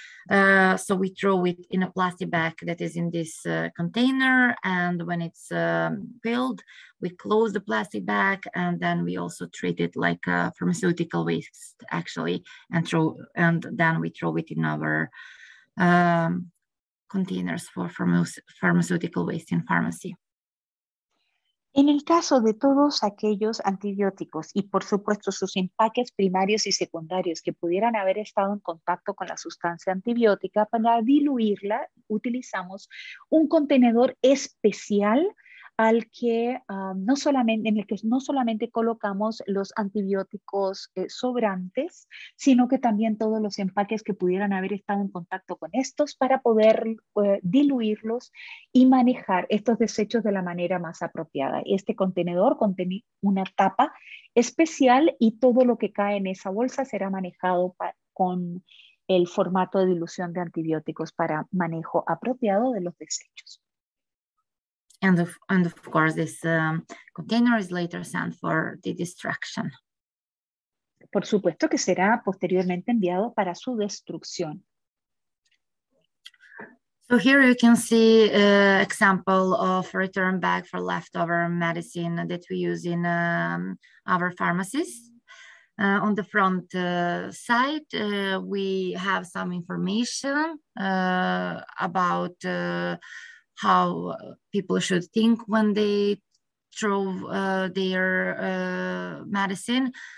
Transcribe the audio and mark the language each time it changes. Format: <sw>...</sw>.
<en>So we throw it in a plastic bag that is in this container, and when it's filled, we close the plastic bag, and then we also treat it like a pharmaceutical waste, actually, and then we throw it in our containers for pharmaceutical waste in pharmacy.</en> <es>En el caso de todos aquellos antibióticos y, por supuesto, sus empaques primarios y secundarios que pudieran haber estado en contacto con la sustancia antibiótica, para diluirla utilizamos un contenedor especial al que no solamente colocamos los antibióticos sobrantes, sino que también todos los empaques que pudieran haber estado en contacto con estos para poder diluirlos y manejar estos desechos de la manera más apropiada. Este contenedor contiene una tapa especial y todo lo que cae en esa bolsa será manejado con el formato de dilución de antibióticos para manejo apropiado de los desechos.</es> <en>And of course, this container is later sent for the destruction.</en> <es>Por supuesto que será posteriormente enviado para su destrucción.</es> <en>So here you can see an example of a return bag for leftover medicine that we use in our pharmacies. On the front side, we have some information about how people should think when they throw their medicine.</en>